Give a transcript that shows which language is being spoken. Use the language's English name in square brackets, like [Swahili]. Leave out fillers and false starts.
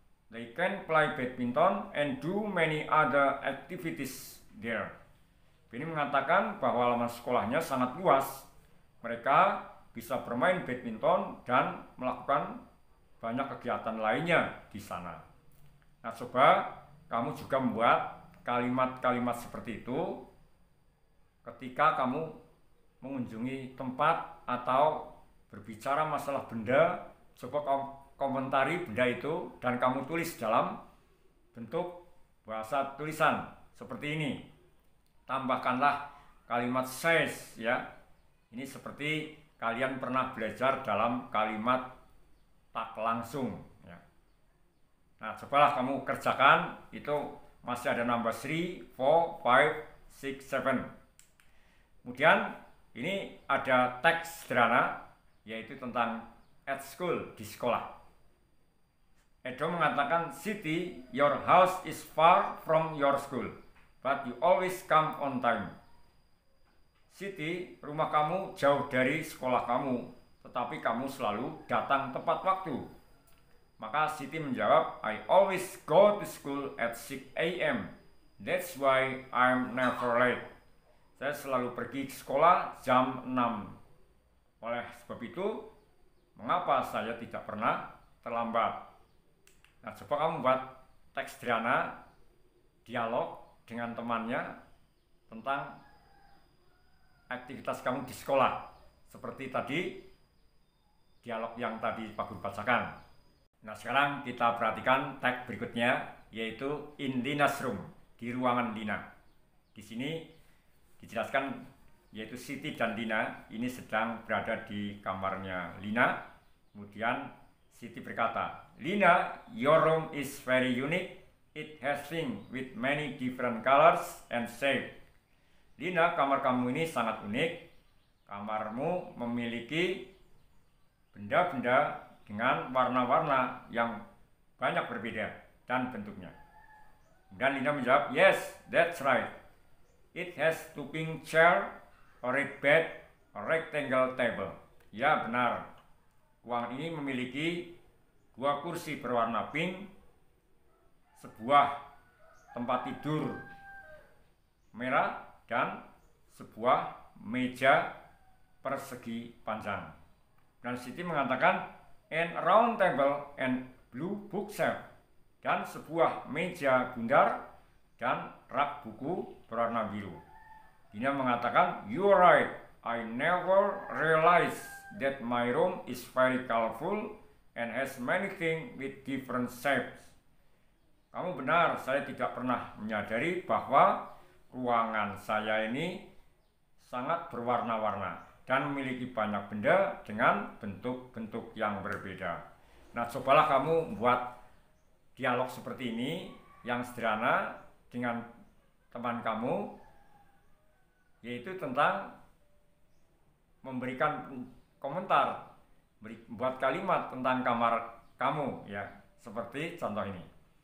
[English] They can play badminton and do many other activities there. [Indonesian] Benny mengatakan bahwa halaman sekolahnya sangat luas. Mereka bisa bermain badminton dan melakukan banyak kegiatan lainnya di sana. Nah, coba kamu juga membuat kalimat-kalimat seperti itu ketika kamu mengunjungi tempat atau berbicara masalah benda, coba kamu komentari benda itu dan kamu tulis dalam bentuk bahasa tulisan seperti ini. Tambahkanlah kalimat says, ya. Ini seperti kalian pernah belajar dalam kalimat tak langsung, ya. Nah, cobalah kamu kerjakan itu, masih ada nambah 3, 4, 5, 6, 7. Kemudian ini ada teks sederhana, yaitu tentang [English] at school, [Indonesian] di sekolah. Edo mengatakan, [English] "City, your house is far from your school, but you always come on time." [Indonesian] City, rumah kamu jauh dari sekolah kamu, tetapi kamu selalu datang tepat waktu. Maka City menjawab, [English] "I always go to school at 6 a.m. That's why I'm never late." [Indonesian] Saya selalu pergi ke sekolah jam 6. Oleh sebab itu, mengapa saya tidak pernah terlambat? Nah, coba kamu buat teks sederhana, dialog dengan temannya tentang aktivitas kamu di sekolah. Seperti tadi, dialog yang tadi Pak Guru bacakan. Nah, sekarang kita perhatikan teks berikutnya, yaitu [English] in Lina's room, [Indonesian] di ruangan Lina. Di sini dijelaskan, yaitu Siti dan Lina ini sedang berada di kamarnya Lina. Kemudian Siti berkata, [English] "Lina, your room is very unique. It has things with many different colors and shapes." [Indonesian] Lina, kamar kamu ini sangat unik. Kamarmu memiliki benda-benda dengan warna-warna yang banyak berbeda dan bentuknya. Dan Lina menjawab, [English] "Yes, that's right. It has two pink chairs, a red bed, a rectangle table." [Indonesian] Ya, benar. Ruangan ini memiliki dua kursi berwarna pink, sebuah tempat tidur merah, dan sebuah meja persegi panjang. Dan Siti mengatakan, [English] "And a round table and blue bookshelf." [Indonesian] Dan sebuah meja bundar dan rak buku berwarna biru. Dina mengatakan, [English] "You are right. I never realized that my room is very colorful and has many things with different shapes." [Indonesian] Kamu benar, saya tidak pernah menyadari bahwa ruangan saya ini sangat berwarna-warna dan memiliki banyak benda dengan bentuk-bentuk yang berbeda. Nah, cobalah kamu buat dialog seperti ini yang sederhana dengan teman kamu, yaitu tentang memberikan komentar, buat kalimat tentang kamar kamu, ya, seperti contoh ini.